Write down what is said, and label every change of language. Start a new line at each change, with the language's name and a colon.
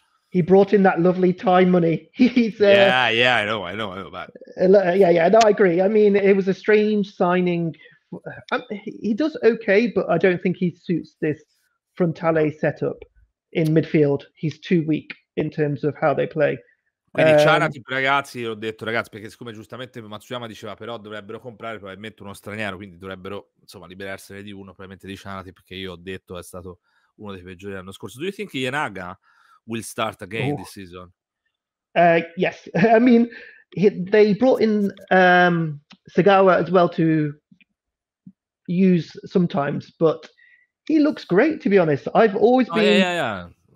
English: He brought in that lovely Thai money. I know. But... No, I agree. I mean, it was a strange signing. He does okay, but I don't think he suits this Frontale setup in midfield. He's too weak in terms of how they play.
Italian: Quindi Chanatip, ragazzi, ho detto, ragazzi, perché siccome giustamente Matsuyama diceva però dovrebbero comprare probabilmente uno straniero, quindi dovrebbero, insomma, liberarsene di uno, probabilmente di Chanatip, perché io ho detto è stato uno dei peggiori l'anno scorso.
English: Do you think Yanaga will start again this season? Yes. I mean, they brought in Sagawa as well to use sometimes, but he looks great, to be honest. I've always been...